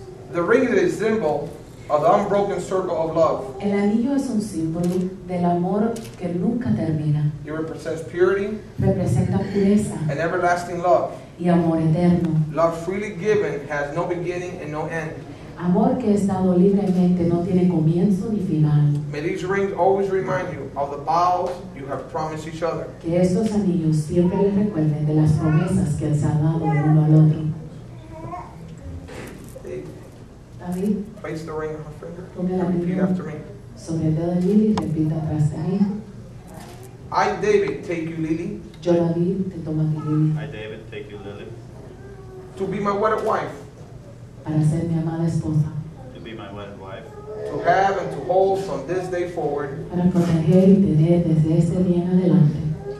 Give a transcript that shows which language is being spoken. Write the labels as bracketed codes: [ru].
[en] The ring is a symbol of the unbroken circle of love. [es] El anillo es un símbolo del amor que nunca termina. [en] It represents purity. [es] Representa pureza. [en] And everlasting love. [es] Y amor eterno. [en] Love freely given has no beginning and no end. [es] Amor que es dado libremente no tiene comienzo ni final. [en] May these rings always remind you of the vows you have promised each other. [es] Que estos anillos siempre les recuerden de las promesas que se han dado el uno al otro. [en] Place the ring on her finger. Repeat after me. [es] Sobre el dedo de Lily, repita tras de ella. [en] I, David, take you, Lily. [es] Yo, David, te tomo a ti, Lily. [en] I, David, take you, Lily. To be my wedded wife. [es] Para ser mi amada esposa. [en] To be my wedded wife. To have and to hold from this day forward. [es] Para proteger y tener desde este día en adelante.